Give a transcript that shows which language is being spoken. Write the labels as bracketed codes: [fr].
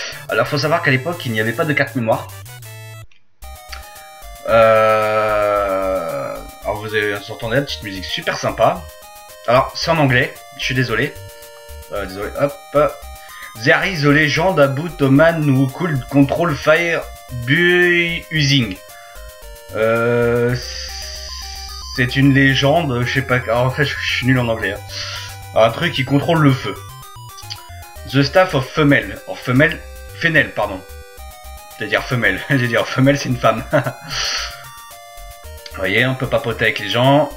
[fr] Alors, faut savoir qu'à l'époque, il n'y avait pas de carte mémoire. Alors, vous avez entendu la petite musique super sympa. Alors, c'est en anglais. Je suis désolé. Désolé, hop. [en] There is a legend about a man who could control fire by using. [fr] C'est une légende, je sais pas. Alors, en fait, je suis nul en anglais. Hein. Un truc qui contrôle le feu. [en] The staff of female. Or female. [fr] Fennel, pardon. C'est-à-dire femelle. C'est-à-dire femelle, c'est une femme. Vous voyez, on peut papoter avec les gens.